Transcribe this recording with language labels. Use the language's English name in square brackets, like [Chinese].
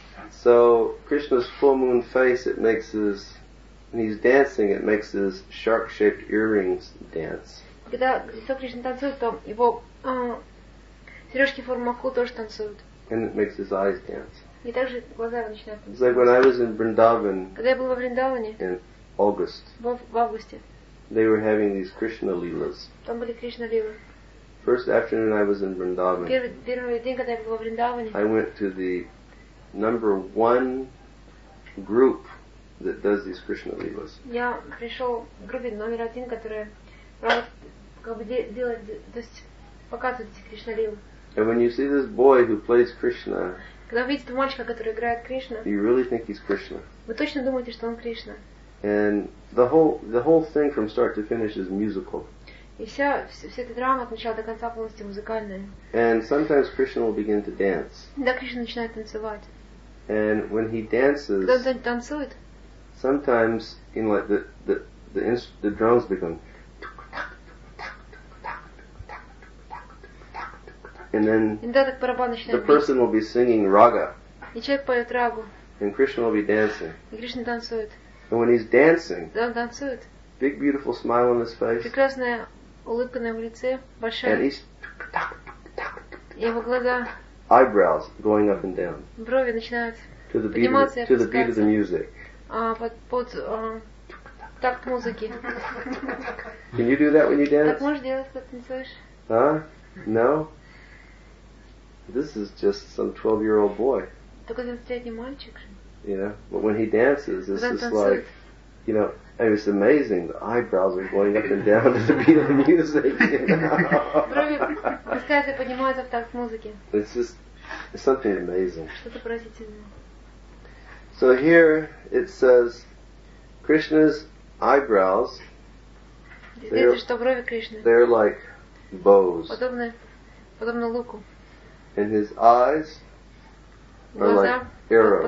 [English] So Krishna's full moon face, it makes his, when he's dancing, it makes his shark-shaped earrings dance. [Russian] Когда лицо Кришны танцует, то его сережки формы акул тоже танцуют. [English] And it makes his eyes dance. [Russian] И также глаза начинают танцевать. [English] It's like when I was in Vrindavan. [Russian] Когда я был во Вриндаване. [English] In August. [Russian] В августе. [English] They were having these Krishna leelas. [Russian] Там были Кришна лилы. [English] First afternoon I was in Vrindavan. [Russian] Первый день, когда я был во Вриндаване. [English] I went to the number one group that does these Krishna leelas. [Russian] Я пришел в группе номер один, которая проводит, как бы делает, то есть показывает эти Кришна лилы. [English] And when you see this boy who plays Krishna, [Russian] когда вы видите мальчика, который играет Кришна, [English] you really think he's Krishna. [Russian] Вы точно думаете, что он Кришна. [English] And the whole thing from start to finish is musical. [Russian] И вся эта драма от начала до конца полностью музыкальная. [English] And sometimes Krishna will begin to dance. [Russian] Да, Кришна начинает танцевать. [English] And when he dances, [Russian] когда он танцует, [English] sometimes in like the drums become tuk tuk tuk tuk tuk tuk tuk tuk tuk tuk. And then [Russian] иногда так барабан начинает бить. [English] The person will be singing рага. [Russian] И человек поет рагу. [English] And Krishna will be dancing. [Russian] И Кришна танцует. [English] And when he's dancing, [Russian] да, он танцует. [English] Big beautiful smile on his face. [Russian] Прекрасная улыбка на его лице, большая. [English] And he's tuk tuk [Russian] tuk tuk. И его глаза. [English] Eyebrows going up and down. [Russian] Брови начинают подниматься. [English] To the beat of the music. [Russian] Под такт музыки. [English] Can you do that when you dance? [Russian] Так можешь делать, когда танцуешь? [English] Huh? No? This is just some 12-year-old boy. [Russian] Только 12-летний мальчик. [English] Yeah, but when he dances, this is like, you know, and it's amazing. The eyebrows are going up and down to the beat of the music. [Russian] Брови опускаются и поднимаются в такт музыки. [English] It's just something amazing. [Russian] Что-то поразительное. [English] So here it says, Krishna's eyebrows, they're like bows. [Russian] Подобно луку. [English] And his eyes are like arrows.